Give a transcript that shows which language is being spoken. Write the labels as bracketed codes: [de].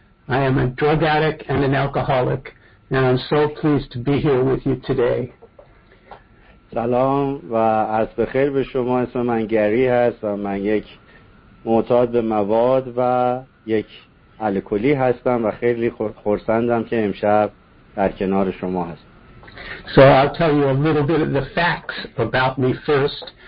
[en] I am a drug addict and an alcoholic, and I'm so pleased to be here with you today. [fa] سلام و عصر بخیر به شما. اسم من گری هست و من یک معتاد به مواد و یک الکلی هستم و خیلی خرسندم که امشب در کنار شما هستم. [en] So I'll tell you a little bit of the facts about me first.